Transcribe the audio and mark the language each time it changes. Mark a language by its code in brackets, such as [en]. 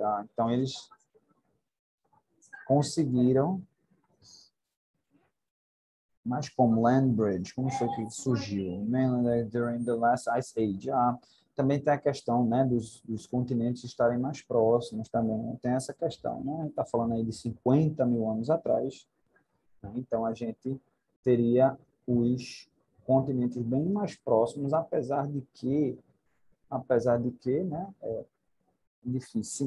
[pt] Ah, então, eles conseguiram. Mas como land bridge, como foi que surgiu? [en] Mainly during the last ice age. [pt] Ah, também tem a questão, né, dos continentes estarem mais próximos também. Tem essa questão, né? Está falando aí de 50 mil anos atrás. Né? Então, a gente teria os continentes bem mais próximos, apesar de que, né, difícil.